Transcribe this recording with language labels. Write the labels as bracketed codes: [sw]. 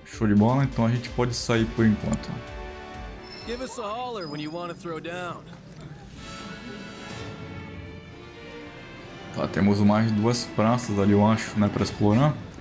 [pt] Show de bola, então a gente pode sair por enquanto. [en] Give us a holler when you want to throw down. [pt] Tá, temos mais duas praças ali, eu acho, né, pra explorar.